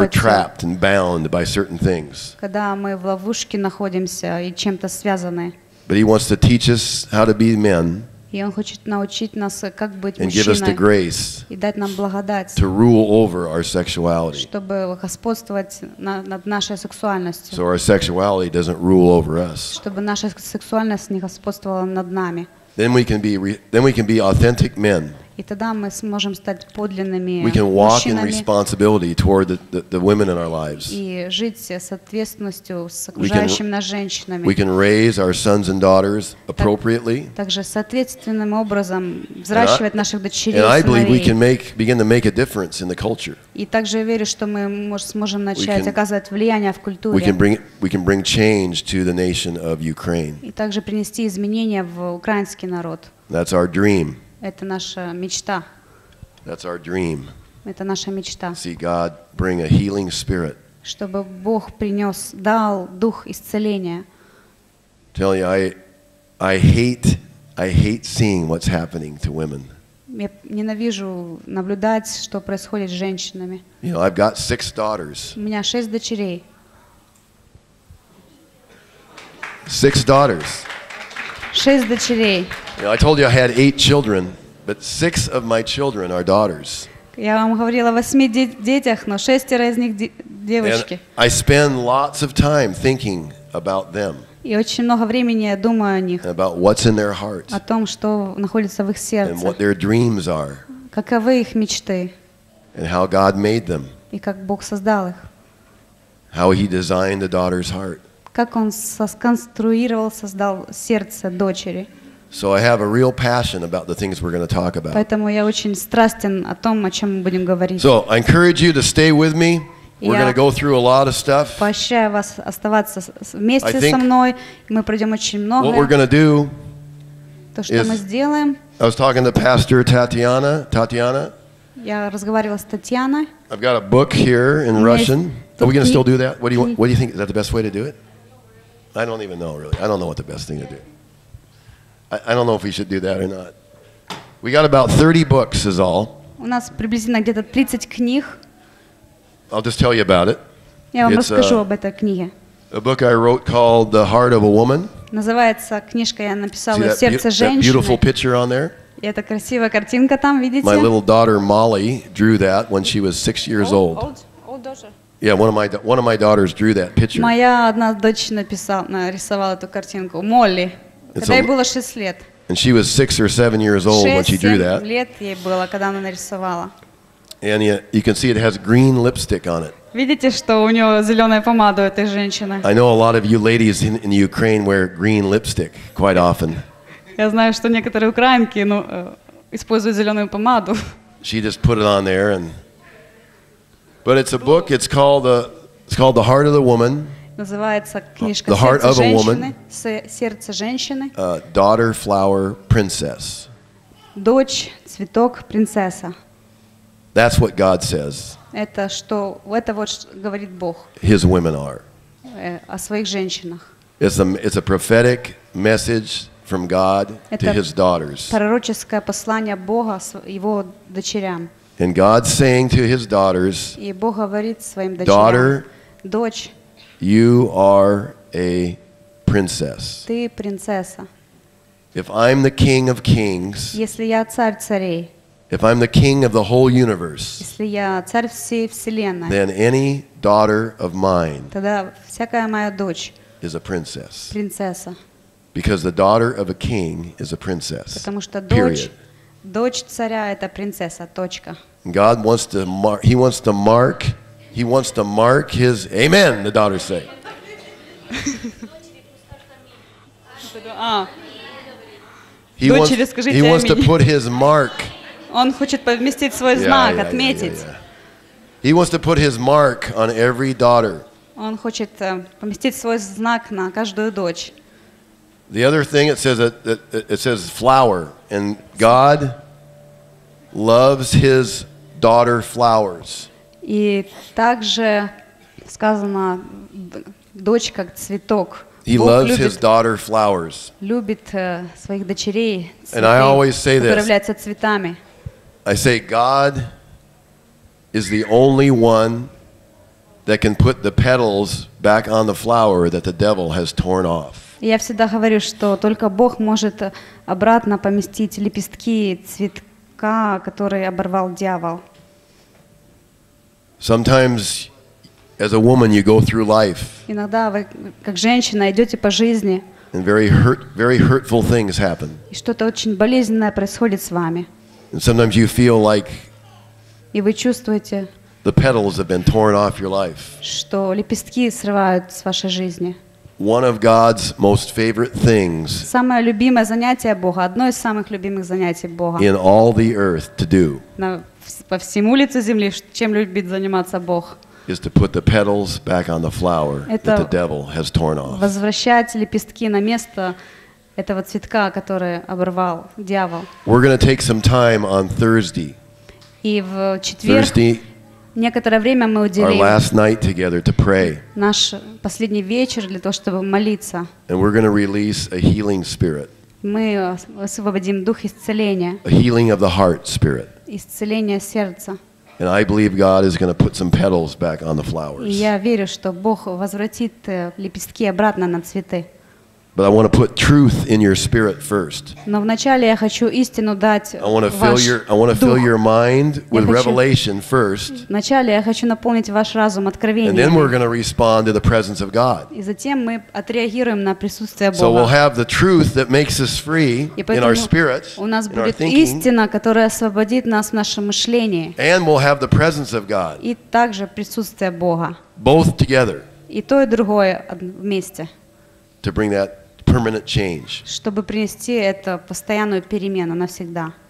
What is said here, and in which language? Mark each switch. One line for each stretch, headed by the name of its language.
English: Where we're trapped and bound by certain things.
Russian: Когда мы в ловушке находимся и чем-то связаны.
English: But he wants to teach us how to be men.
Russian: И он хочет научить нас, как быть
English: and
Russian: мужчиной, и дать нам благодать,
English: to rule over our sexuality.
Russian: Чтобы господствовать над нашей сексуальностью,
English: so our sexuality doesn't rule over us.
Russian: Чтобы наша сексуальность не господствовала над нами.
English: Then we can be authentic men.
Russian: И тогда мы сможем стать подлинными мужчинами.
English: We can walk in responsibility toward the women in our lives.
Russian: И жить с ответственностью с окружающими нас женщинами.
English: We can raise our sons and daughters appropriately.
Russian: Также соответственным образом взращивать наших дочерей и сыновей.
English: And I believe we can begin to make a difference in the culture.
Russian: И также я верю, что мы сможем начать оказывать влияние в культуре.
English: We can bring change to the nation of Ukraine.
Russian: И также принести изменения в украинский народ.
English: That's our dream.
Russian: Это наша мечта.
English: That's our dream.
Russian: Это наша мечта.
English: See God bring a healing spirit.
Russian: Чтобы Бог принес, дал дух исцеления.
English: Tell you, I hate seeing what's happening to women.
Russian: Я ненавижу наблюдать, что происходит с женщинами.
English: You know, I've got six daughters.
Russian: У меня шесть дочерей.
English: Six daughters.
Russian: Шесть дочерей.
English: You know, I told you I had eight children, but six of my children are daughters.
Russian: Я вам говорила о восьми детях, но шестеро из них девочки.
English: And I spend lots of time thinking about them.
Russian: И очень много времени я думаю о них.
English: About what's in their hearts.
Russian: О том, что находится в их сердцах.
English: And what their dreams are.
Russian: Каковы их мечты.
English: And how God made them.
Russian: И как Бог создал их.
English: How He designed the daughter's heart.
Russian: Как он сконструировал, создал сердце дочери.
English: So I have a real passion about the things we're going to talk about.
Russian: Поэтому я очень страстен о том, о чем мы будем говорить.
English: So I encourage you to stay with me. We're going to go through a lot of stuff.
Russian: Поощряю вас оставаться вместе со мной. Мы пройдем очень многое.
English: What we're going to do?
Russian: То, что мы сделаем.
English: I was talking to Pastor Tatiana. Tatiana.
Russian: Я разговаривала с Татьяной.
English: I've got a book here in Russian. Are we going to still do that? What do you think? Is that the best way to do it? I don't even know, really. I don't know what the best thing to do. I don't know if we should do that or not. We got about 30 books, is all.
Russian: У нас приблизительно где-то 30 книг.
English: I'll just tell you about it.
Russian: Я вам расскажу об этой книге.
English: A book I wrote called "The Heart of a Woman."
Russian: Называется книжка, я написала "Сердце женщины."
English: See that beautiful picture on there?
Russian: И эта красивая картинка там, видите?
English: My little daughter Molly drew that when she was 6 years old. Old daughter. Yeah, one of my daughters drew that picture.
Russian: Моя одна дочь нарисовала эту картинку. Молли, когда ей было 6 лет.
English: And she was 6 or 7 years old when she drew that.
Russian: 6 лет ей было, когда она нарисовала.
English: And you can see it has green lipstick on it.
Russian: Видите, что у нее зеленая помада у этой женщины.
English: I know a lot of you ladies in Ukraine wear green lipstick quite often.
Russian: Я знаю, что некоторые украинки используют зеленую помаду.
English: She just put it on there and. But it's a book. It's called "The Heart of the Woman."
Russian: Называется книжка
English: "The Heart of a Woman."
Russian: Сердце женщины.
English: Daughter, flower, princess.
Russian: Дочь, цветок, принцесса.
English: That's what God says.
Russian: Это что? Это вот говорит Бог.
English: His women are.
Russian: О своих женщинах.
English: It's a prophetic message from God to His daughters.
Russian: Пророческое послание Бога его дочерям.
English: And God's saying to His daughters, daughter, you are a princess.
Russian: Ты принцесса.
English: If I'm the King of Kings,
Russian: если я царь царей,
English: if I'm the King of the whole universe,
Russian: если я царь всей вселенной,
English: then any daughter of mine,
Russian: тогда всякая моя дочь,
English: is a princess.
Russian: Принцесса.
English: Because the daughter of a king is a princess.
Russian: Потому что дочь царя это принцесса. Точка.
English: God wants to mark. He wants to mark. He wants to mark his. Amen. The daughters say. He wants to put his mark.
Russian: Он хочет поместить свой знак, отметить.
English: He wants to put his mark on every daughter.
Russian: Он хочет поместить свой знак на каждую дочь.
English: The other thing it says it says flower and God loves his daughter flowers.
Russian: И также сказано дочь как цветок.
English: He loves his daughter flowers.
Russian: Любит своих дочерей.
English: And I always say this.
Russian: Управляется цветами.
English: I say God is the only one that can put the petals back on the flower that the devil has torn off.
Russian: Я всегда говорю, что только Бог может обратно поместить лепестки цветка. Который оборвал дьявол.
English: Sometimes, as a woman, you go through life.
Russian: Иногда вы, как женщина, идете по жизни.
English: And very hurtful things happen.
Russian: И что-то очень болезненное происходит с вами.
English: And sometimes you feel like.
Russian: И вы чувствуете.
English: The petals have been torn off your life.
Russian: Что лепестки срывают с вашей жизни.
English: One of God's most favorite things.
Russian: Самое любимое занятие Бога, одно из самых любимых занятий Бога.
English: In all the earth to do.
Russian: По всему лицу земли, чем любит заниматься Бог?
English: Is to put the petals back on the flower that the devil has torn off.
Russian: Возвращать лепестки на место этого цветка, который оборвал дьявол.
English: We're going to take some time on Thursday.
Russian: И в четверг. Некоторое время мы уделим наш последний вечер для того, чтобы молиться.
English: And we're going to release a healing spirit.
Russian: Мы освободим дух исцеления.
English: A healing of the heart spirit.
Russian: Исцеление сердца.
English: And I believe God is going to put some petals back on the flowers.
Russian: Я верю, что Бог возвратит лепестки обратно на цветы.
English: But I want to put truth in your spirit first.
Russian: Но вначале я хочу истину дать ваш дух.
English: I want to fill your mind with revelation first.
Russian: Вначале я хочу наполнить ваш разум откровением.
English: And then we're going to respond to the presence of God.
Russian: И затем мы отреагируем на присутствие Бога.
English: So we'll have the truth that makes us free in our spirit.
Russian: У нас будет истина, которая освободит нас в нашем мышлении.
English: And we'll have the presence of God.
Russian: И также присутствие Бога.
English: Both together.
Russian: И то и другое вместе.
English: To bring that permanent change.
Russian: Чтобы принести это постоянную перемену навсегда.